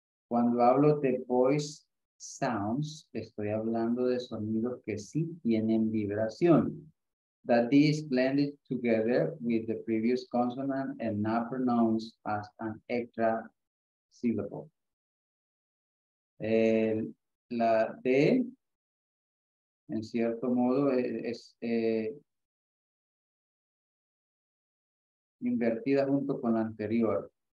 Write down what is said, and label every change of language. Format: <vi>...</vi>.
<es>Cuando hablo de</es> <en>voice sounds,</en> <es>estoy hablando de sonidos que sí tienen vibración.</es> <en>That D is blended together with the previous consonant and not pronounced as an extra syllable.</en> <es>La D, en cierto modo, es invertida junto con la anterior.</es>